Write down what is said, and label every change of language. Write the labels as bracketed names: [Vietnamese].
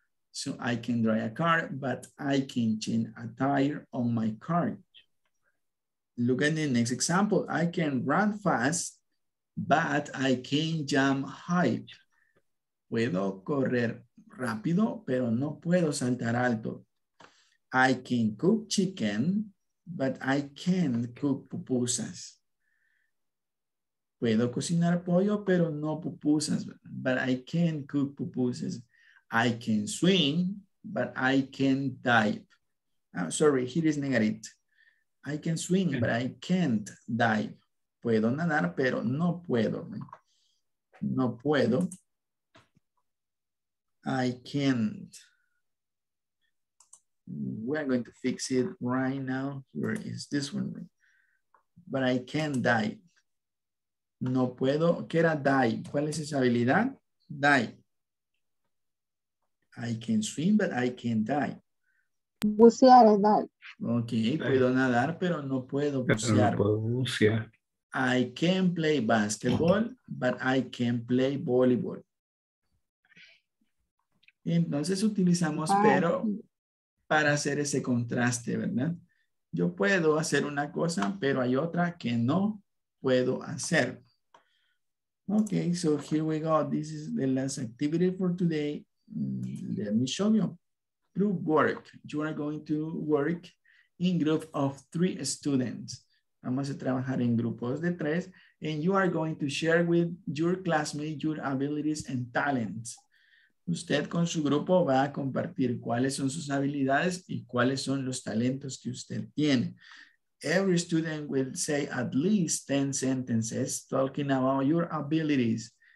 [English] So I can drive a car, but I can change a tire on my car. Look at the next example. I can run fast, but I can jump high. [Spanish] Puedo correr rápido, pero no puedo saltar alto. [English] I can cook chicken, but I can't cook pupusas. [Spanish] Puedo cocinar pollo, pero no pupusas, [English] but I can't cook pupusas. I can swim, but I can't dive. I'm sorry, here is negative. I can swim, but I can't dive. [Spanish] Puedo nadar, pero no puedo. No puedo. [English] I can't. We're going to fix it right now. Here is this one. But I can dive. [Spanish] No puedo. ¿Qué era dive? ¿Cuál es esa habilidad? [English] Dive. I can swim, but I can't dive. [Spanish] Bucear es dive. Ok, sí. Puedo nadar, pero no puedo bucear. No puedo bucear. [English] I can play basketball, but I can play volleyball. [Spanish] Entonces utilizamos pero para hacer ese contraste, ¿verdad? Yo puedo hacer una cosa, pero hay otra que no puedo hacer. [English] Ok, so here we go. This is the last activity for today. Let me show you. Group work. You are going to work in group of three students. [Spanish] Vamos a trabajar en grupos de tres. [English] And you are going to share with your classmates your abilities and talents. [Spanish] Usted con su grupo va a compartir cuáles son sus habilidades y cuáles son los talentos que usted tiene. [English] Every student will say at least 10 sentences talking about your abilities.